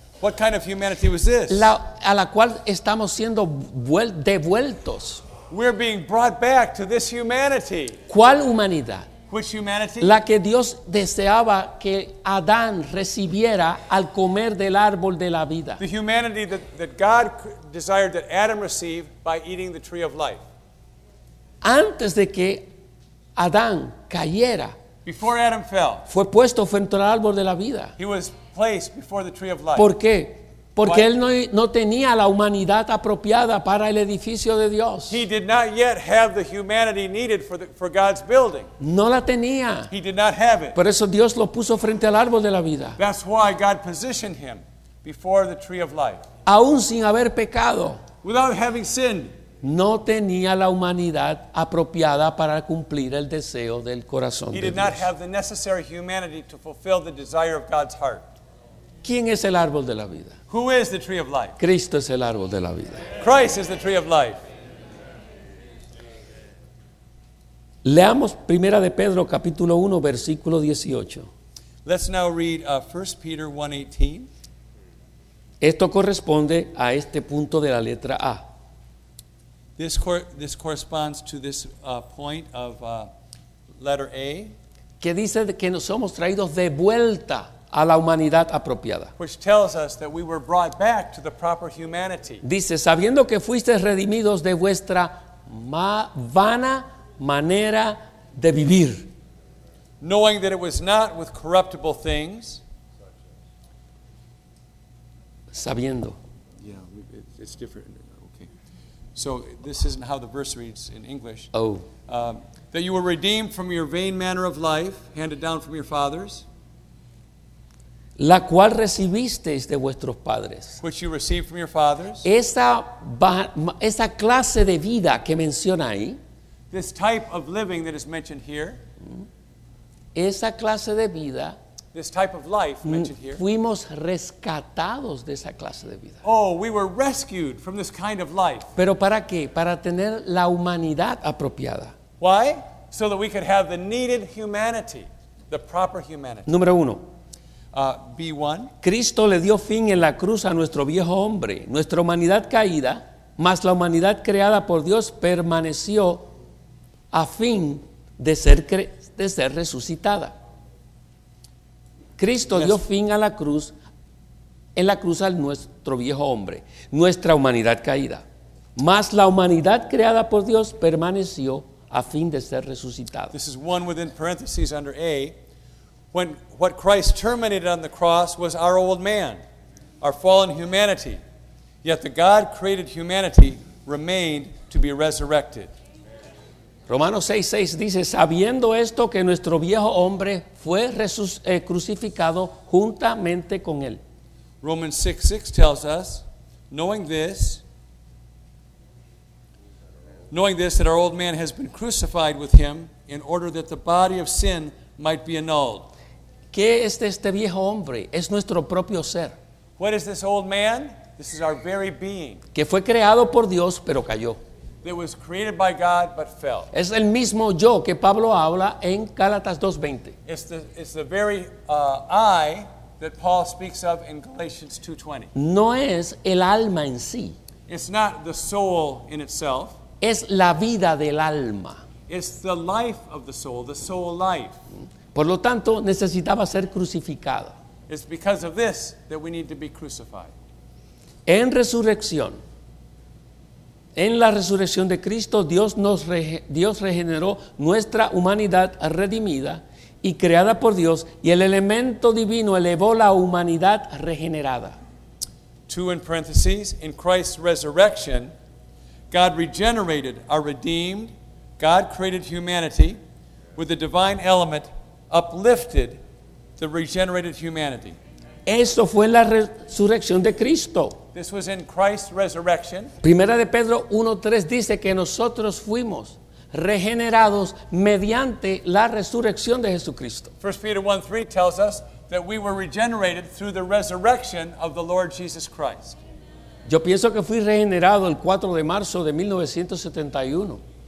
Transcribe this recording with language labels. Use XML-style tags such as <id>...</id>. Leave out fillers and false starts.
<en>What kind of humanity was this?</en> <es>A la cual estamos siendo devueltos.</es> <en>We're being brought back to this humanity.</en> <es>¿Cuál humanidad?</es> <en>Which humanity?</en> <es>La que Dios deseaba que Adán recibiera al comer del árbol de la vida.</es> <en>The humanity that God desired that Adam receive by eating the tree of life.</en> <es>Antes de que Adán cayera.</es> <en>Before Adam fell.</en> <es>Fue puesto frente al árbol de la vida.</es> <en>He was placed before the tree of life.</en> <es>¿Por qué? Porque él no tenía la humanidad apropiada para el edificio de Dios.</es> <en>He did not yet have the humanity needed for God's building.</en> <es>No la tenía.</es> <en>He did not have it.</en> <es>Por eso Dios lo puso frente al árbol de la vida.</es> <en>That's why God positioned him before the tree of life.</en> <es>Aún sin haber pecado.</es> <en>Without having sinned.</en> <es>No tenía la humanidad apropiada para cumplir el deseo del corazón de Dios.</es> <en>He did not have the necessary humanity to fulfill the desire of God's heart.</en> <es>¿Quién es el árbol de la vida?</es> <en>Who is the tree of life?</en> <es>Cristo es el árbol de la vida.</es> <en>Christ is the tree of life.</en> <es>Leamos Primera de Pedro capítulo 1 versículo 18.</es> <en>Let's now read 1 Peter 1:18.</en> <es>Esto corresponde a este punto de la letra A.</es> <en>This corresponds to this point of letter A.</en> <es>Que dice que nos somos traídos de vuelta a la humanidad apropiada.</es> <en>Which tells us that we were brought back to the proper humanity.</en> <es>Dice, sabiendo que fuisteis redimidos de vuestra vana manera de vivir.</es> <en>Knowing that it was not with corruptible things.</en> <es>Sabiendo.</es> <en>Yeah, it's different. Okay. So this isn't how the verse reads in English. Oh. That you were redeemed from your vain manner of life, handed down from your fathers.</en> <es>La cual recibisteis de vuestros padres.</es> <en>Which you received from your fathers.</en> <es>Esa clase de vida que menciona ahí.</es> <en>This type of living that is mentioned here.</en> <es>Esa clase de vida.</es> <en>This type of life mentioned here.</en> <es>Fuimos rescatados de esa clase de vida.</es> <en>Oh, we were rescued from this kind of life.</en> <es>¿Pero para qué? Para tener la humanidad apropiada.</es> <en>Why? So that we could have the needed humanity, the proper humanity.</en> <es>Número uno.</es> <en>B1.</en> <es>Cristo le dio fin en la cruz a nuestro viejo hombre, nuestra humanidad caída, más la humanidad creada por Dios permaneció a fin de ser resucitada. Cristo dio fin a la cruz, en la cruz a nuestro viejo hombre, nuestra humanidad caída. Mas la humanidad creada por Dios permaneció a fin de ser resucitada.</es> <en>This is one within parentheses under A. When what Christ terminated on the cross was our old man, our fallen humanity. Yet the God-created humanity remained to be resurrected.</en> <es>Romanos 6:6 dice, sabiendo esto que nuestro viejo hombre fue crucificado juntamente con él.</es> <en>Romans 6:6 tells us, knowing this that our old man has been crucified with him in order that the body of sin might be annulled.</en> <es>¿Qué es este viejo hombre? Es nuestro propio ser.</es> <en>What is this old man? This is our very being.</en> <es>Que fue creado por Dios, pero cayó.</es> <en>That was created by God but fell.</en> <es>Es el mismo yo que Pablo habla en Gálatas 2:20.</es> <en>It's the very I that Paul speaks of in Galatians 2:20.</en> <es>No es el alma en sí.</es> <en>It's not the soul in itself.</en> <es>Es la vida del alma.</es> <en>It's the life of the soul life.</en> <es>Por lo tanto, necesitaba ser crucificado.</es> <en>It's because of this that we need to be crucified.</en> <es>En resurrección. En la resurrección de Cristo, Dios regeneró nuestra humanidad redimida y creada por Dios, y el elemento divino elevó la humanidad regenerada.</es> <en>Two in parentheses, in Christ's resurrection, God regenerated our redeemed, God-created humanity with the divine element uplifted the regenerated humanity.</en> <es>Esto fue la resurrección de Cristo.</es> <en>This was in Christ's resurrection.</en> <es>Primera de Pedro 1:3 dice que nosotros fuimos regenerados mediante la resurrección de Jesucristo.</es> <en>1 Peter 1:3 tells us that we were regenerated through the resurrection of the Lord Jesus Christ.</en> <es>Yo pienso que fui regenerado el 4 de marzo de 1971.</es>